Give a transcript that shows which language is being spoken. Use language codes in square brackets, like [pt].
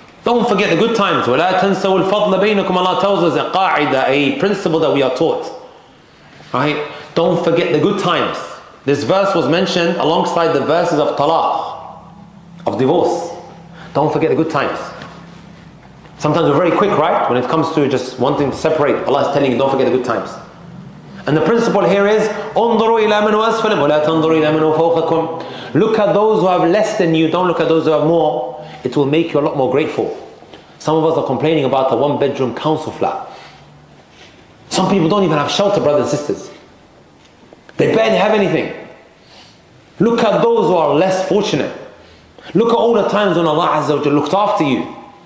[en] Don't forget the good times. [ar] وَلَا تَنْسَوُ الْفَضْلَ بَيْنَكُمْ [en] Allah tells us a qa'ida, a principle that we are taught. Right? Don't forget the good times. This verse was mentioned alongside the verses of talaq, of divorce. Don't forget the good times. Sometimes we're very quick, right? When it comes to just wanting to separate, Allah is telling you, don't forget the good times. And the principle here is, [ar] انظروا إلى من هو أسفل ولا تنظروا إلى من هو فوقكم. [en] Look at those who have less than you, don't look at those who have more. It will make you a lot more grateful. Some of us are complaining about a one-bedroom council flat. Some people don't even have shelter, brothers and sisters. They barely have anything. Look at those who are less fortunate. Look at all the times when Allah Azza wa Jalla looked after you.